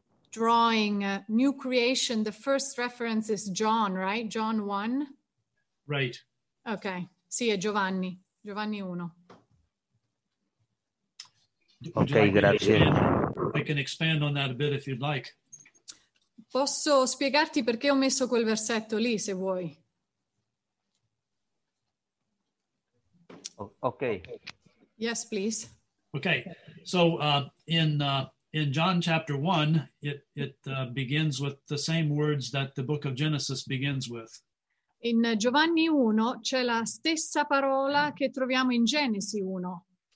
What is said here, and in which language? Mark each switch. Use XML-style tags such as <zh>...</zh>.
<en>drawing new creation, the first reference is John, right? John 1? Right.</en> <it>Okay. Sì, è Giovanni. Giovanni 1. Okay, grazie.</it> <en>I can expand on that a bit if you'd like.</en> <it>Posso spiegarti perché ho messo quel versetto lì, se vuoi.</it> <en>Okay. Yes, please. Okay. So, in John chapter 1, it begins with the same words that the book of Genesis begins with.</en> <it>In Giovanni 1 c'è la stessa parola che troviamo in Genesi 1.</it>